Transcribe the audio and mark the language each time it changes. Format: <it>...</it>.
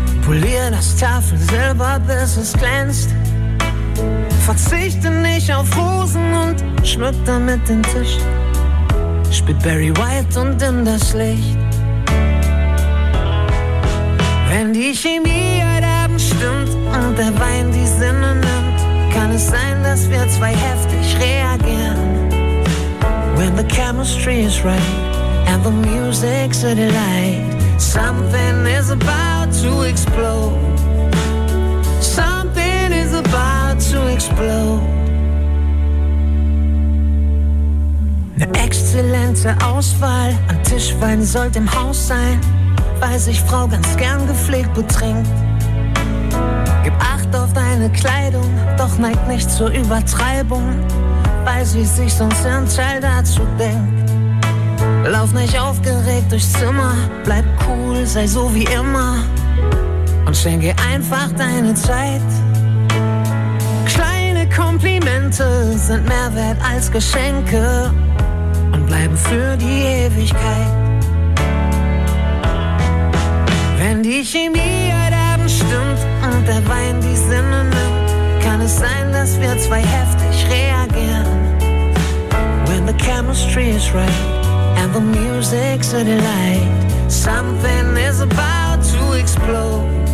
<de>Polier das Tafelsilber, bis es glänzt. Verzichte nicht auf Rosen und schmück damit den Tisch. Spiel Barry White und dimm das Licht. Wenn die Chemie heute Abend stimmt und der Wein die Sinne nimmt, kann es sein, dass wir zwei heftig reagieren.</de> <en>When the chemistry is right and the music's a delight, something is about to explode. Something is about to explode.</en> <de>Eine exzellente Auswahl an Tischwein sollte im Haus sein, weil sich Frau ganz gern gepflegt betrinkt. Gib Acht auf deine Kleidung, doch neigt nicht zur Übertreibung, weil sie sich sonst ihren Teil dazu denkt. Lauf nicht aufgeregt durchs Zimmer, bleib cool, sei so wie immer und schenke einfach deine Zeit. Kleine Komplimente sind mehr wert als Geschenke und bleiben für die Ewigkeit. Wenn die Chemie heute Abend stimmt und der Wein die Sinne nimmt, kann es sein, dass wir zwei heftig reagieren.</de> <en>When the chemistry is right and the music's a delight, something is about to explode.</en>